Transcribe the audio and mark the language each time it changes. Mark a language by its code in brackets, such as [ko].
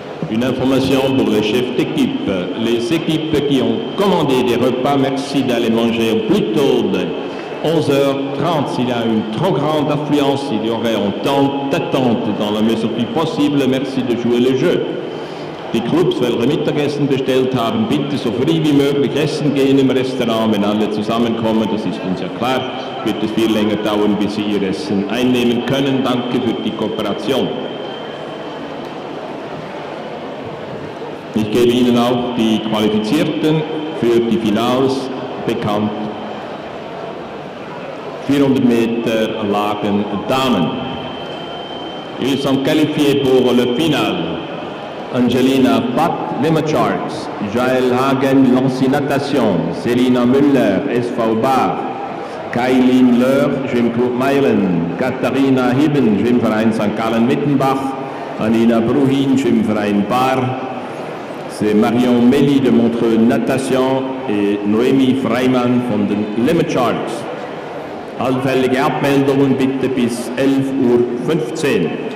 [fr] Une information pour les chefs d'équipe. Les équipes qui ont commandé des repas, merci d'aller manger plus tôt de 11h30, s'il y a une trop grande affluence, il y aurait un temps d'attente dans la mesure du possible. Merci de jouer le jeu. [de] Die Clubs, welche Mittagessen bestellt haben, bitte so früh wie möglich essen gehen im Restaurant. Wenn alle zusammenkommen, das ist uns ja klar, wird es viel länger dauern, bis sie ihr Essen einnehmen können. Danke für die Kooperation. Ich gebe Ihnen auch die Qualifizierten für die Finals bekannt. 400 Meter lagen Damen. [fr] Ils sont qualifiés pour le final. Angelina Pat, Limit Sharks. Jael Hagen, Lancy Natation. [de] Selina Müller, SV Bar. Kailin Löhr, Schwimmclub Meilen. Katharina Hibben, Schwimmverein St. Gallen Mittenbach. Anina Bruhin, Schwimmverein Bar. [fr] C'est Marion Melli de Montreux Natation. [de] Et Noémie Freimann von den Limit Sharks. Allfällige Abmeldungen bitte bis 11.15 Uhr.